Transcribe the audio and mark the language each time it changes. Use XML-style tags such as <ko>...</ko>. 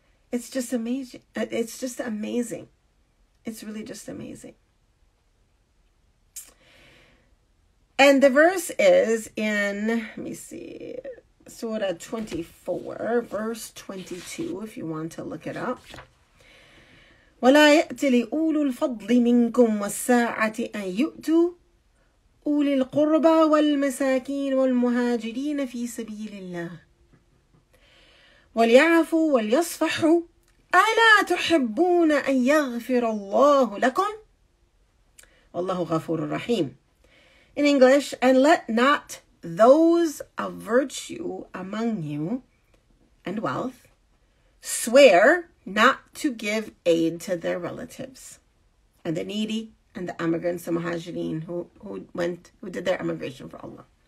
<en>It's just amazing. It's just amazing. It's really just amazing. And the verse is in, let me see, Surah 24, verse 22, if you want to look it up.</en> <ar>وَلَا يَأْتِ لِأُولُو الْفَضْلِ مِنْكُمْ وَالسَّاعَةِ أَنْ يُؤْتُوا أولي القربى والمساكين والمهاجرين في سبيل الله وليعفوا وليصفحوا ألا تحبون أن يغفر الله لكم والله غفور رحيم.</ar> <en>In English, and let not those of virtue among you and wealth swear not to give aid to their relatives and the needy and the immigrants, the muhajirin, who did their immigration for Allah.</en>